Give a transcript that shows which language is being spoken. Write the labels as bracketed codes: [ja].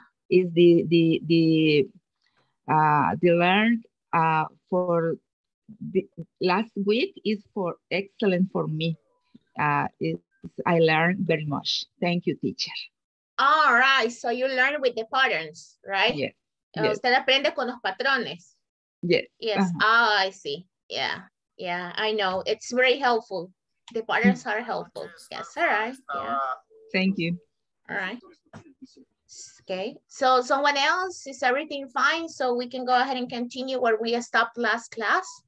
[en] Is the learned for the last week is for excellent for me. I learned very much. Thank you, teacher. All right. So you learn with the patterns, right? Yes. [es] Usted aprende con los patrones. [en] Yes. Uh-huh. Oh, I see. Yeah. I know. It's very helpful. The patterns are helpful. Yes. All right. Yeah. Thank you. All right. Okay, so someone else, is everything fine? So we can go ahead and continue where we stopped last class.